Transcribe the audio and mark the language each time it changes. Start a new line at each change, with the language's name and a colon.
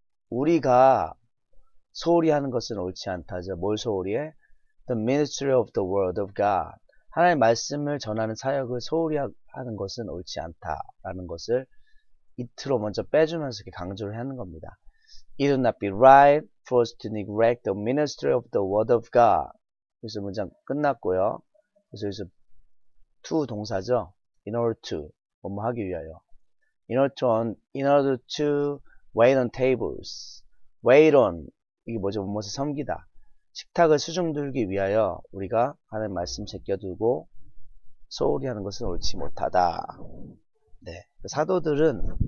Korean: 우리가 소홀히 하는 것은 옳지 않다. 자, 뭘 소홀히 해?
English: The ministry of the word of God.
Korean: 하나님의 말씀을 전하는 사역을 소홀히 하는 것은 옳지 않다라는 것을 it로 먼저 빼주면서 이렇게 강조를 하는 겁니다.
English: It would not be right for us to neglect the ministry of the word of God.
Korean: 그래서 문장 끝났고요. 그래서 여기서 to 동사죠.
English: In order to
Korean: 뭐뭐 하기 위하여.
English: In order to wait on tables. Wait on
Korean: 이게 뭐죠? 뭐뭐에 섬기다. 식탁을 수중 들기 위하여 우리가 하나님 말씀 제껴두고 소홀히 하는 것은 옳지 못하다. 네. 사도들은